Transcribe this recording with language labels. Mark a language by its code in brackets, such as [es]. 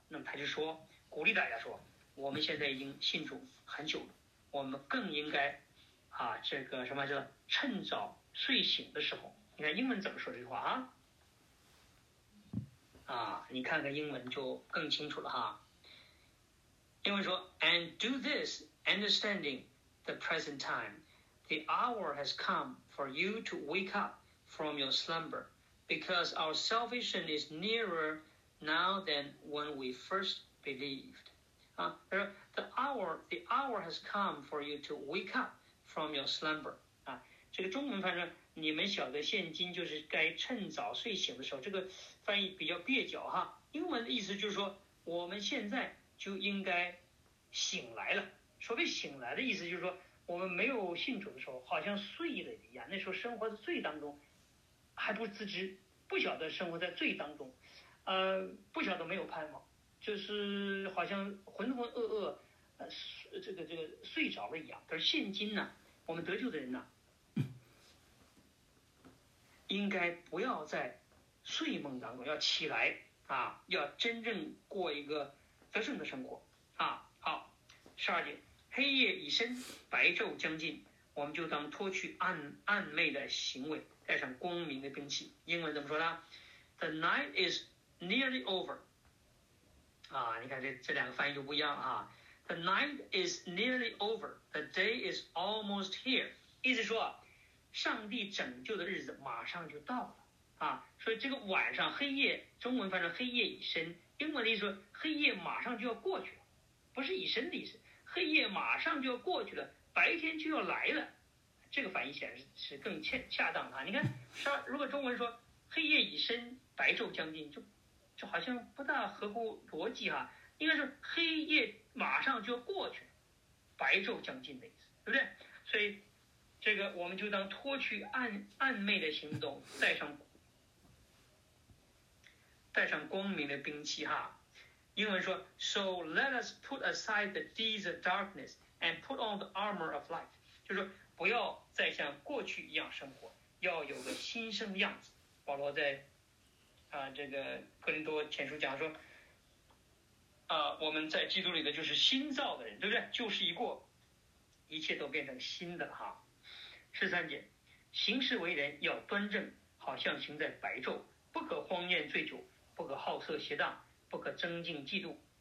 [zh] 那么他就说，鼓励大家说，我们现在已经信主很久了，我们更应该这个什么叫趁早睡醒的时候。你看英文怎么说这句话啊？你看看英文就更清楚了哈。英文说 [en] ，And do this, understanding the present time, the hour has come for you to wake up from your slumber, because our salvation is nearer now than when we first believed. The hour has come for you to wake up from your slumber. [zh] 这个中文翻译，你们晓得现今就是该趁早睡醒的时候，这个翻译比较蹩脚哈。英文的意思就是说，我们现在就应该醒来了。所谓醒来的意思就是说，我们没有信主的时候好像睡了一样，那时候生活在罪当中还不自知，不晓得生活在罪当中，不晓得没有盼望，就是好像浑浑噩噩这个睡着了一样。但是现今呢，我们得救的人呢，应该不要在睡梦当中，要起来啊，要真正过一个得胜的生活啊。好，十二节，黑夜已深，白昼将近，我们就当脱去暗昧的行为，带上光明的兵器。英文怎么说呢？ [en] The night is nearly over. [zh] 啊，你看这两个翻译就不一样啊。 [en] The night is nearly over. The day is almost here. [zh] 意思说，上帝拯救的日子马上就到了啊。所以这个晚上黑夜，中文翻成黑夜已深，英文的意思说黑夜马上就要过去了，不是已深的意思，黑夜马上就要过去了，白天就要来了。这个翻译显然是更恰当的啊。你看，如果中文说黑夜已深，白昼将近，就好像不大合乎逻辑哈、啊。应该是黑夜马上就要过去了，白昼将近的意思，对不对？所以这个我们就当脱去暧昧的行动，带上光明的兵器哈。英文说 ， [en] So let us put aside the deeds of darkness and put on the armor of light， [zh] 就是说不要再像过去一样生活，要有个新生的样子。保罗在这个哥林多前书讲说，我们在基督里的就是新造的人，对不对？旧事已过，一切都变成新的哈。十三节，行事为人要端正，好像行在白昼，不可荒宴醉酒，不可好色邪荡，不可增进嫉妒。